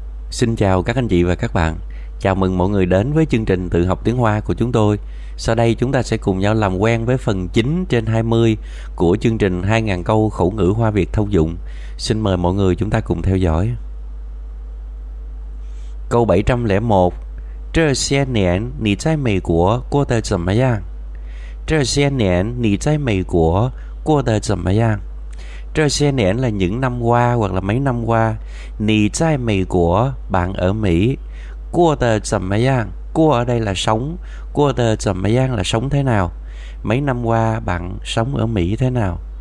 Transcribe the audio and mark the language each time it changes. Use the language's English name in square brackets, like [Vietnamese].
[Vietnamese] Xin chào các anh chị và các bạn. Chào mừng mọi người đến với chương trình tự học tiếng Hoa của chúng tôi. Sau đây chúng ta sẽ cùng nhau làm quen với phần 9/20 của chương trình 2000 câu khẩu ngữ Hoa Việt thông dụng. Xin mời mọi người chúng ta cùng theo dõi. Câu 701. [Chinese] 这些年你在美国过得怎么样? 这些年你在美国过得怎么样? 这些年 [Vietnamese] là những năm qua hoặc là mấy năm qua. [Chinese] 你在美国, [Vietnamese] bạn ở Mỹ. [Chinese] 过得怎么样?过 [Vietnamese] ở đây là sống. [Chinese] 过得怎么样 [Vietnamese] là sống thế nào? Mấy năm qua bạn sống ở Mỹ thế nào?